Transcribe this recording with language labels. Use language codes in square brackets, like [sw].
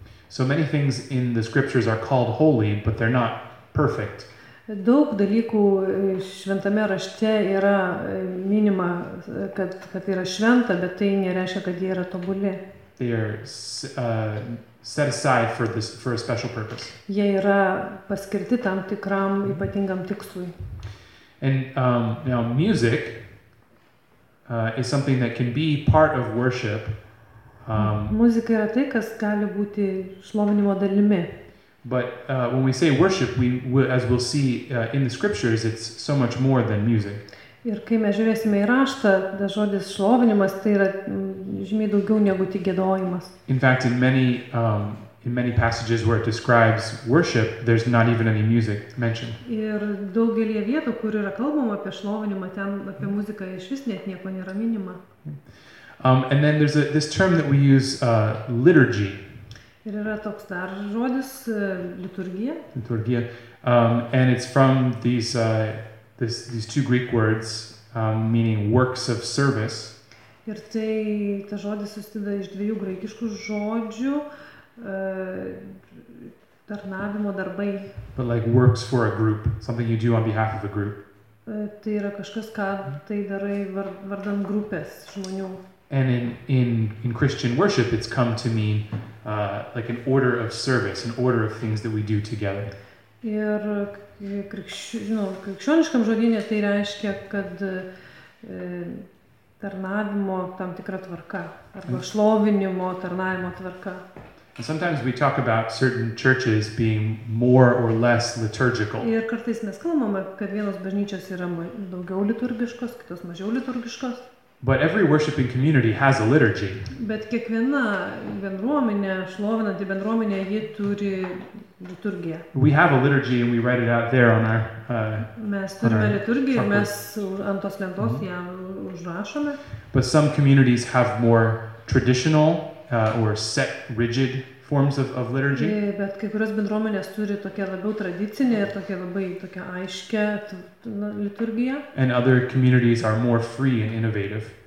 [en] So many things in the scriptures are called holy, but they're not perfect. [lt] Daug dalykų šventame rašte yra minima, kad tai yra šventa, bet tai nereiškia, kad jie yra tobuli. [en] They are set aside for this for a special purpose. [lt] Jie yra paskirti tam tikram ypatingam tikslui. [en] And now music is something that can be part of worship. [lt] Muzika yra tai, kas gali būti šlovinimo dalimi. [en] But when we say worship, we'll see in the scriptures, it's so much more than music. [lt] Ir kai mes žiūrėsime į raštą, tas žodis šlovinimas tai yra žymiai daugiau negu tik giedojimas. [en] In fact, in many passages where it describes worship, there's not even any music mentioned. [lt] Ir daugelyje vietų, kur yra kalbama apie šlovinimą, ten apie muziką iš vis net nieko nėra minima. [en] And then there's this term that we use, liturgy. [lt] Ir yra toks dar žodis, liturgija. Liturgija. [en] And it's from these two Greek words, meaning works of service. [lt] Ir tai, ta žodis susideda iš dviejų graikiškų žodžių, tarnavimo darbai. [en] But like works for a group, something you do on behalf of a group. [lt] Tai yra kažkas, ką tai darai vardan grupės žmonių. [en] And in Christian worship, it's come to mean like an order of service, an order of things that we do together. [lt] Ir krikščioniškam žodyne tai reiškia, kad tarnavimo tam tikra tvarka, arba šlovinimo tarnavimo tvarka. [en] And sometimes we talk about certain churches being more or less liturgical. [lt] Ir kartais mes kalbame, kad vienos bažnyčios yra daugiau liturgiškos, kitos mažiau liturgiškos. [en] But every worshiping community has a liturgy. [lt] Bet kiekviena bendruomenė, šlovinanti bendruomenė, ji turi liturgiją. [en] We have a liturgy and we write it out there on our [lt] Mes turime liturgiją, mes ant tos lentos ją užrašome. [en] But some communities have more traditional or set rigid forms of liturgy. [lt] Bet kai kurios bendruomenės turi tokią labiau tradicinę ir tokią labai tokią aiškią liturgiją. [en] And other communities are more free and innovative.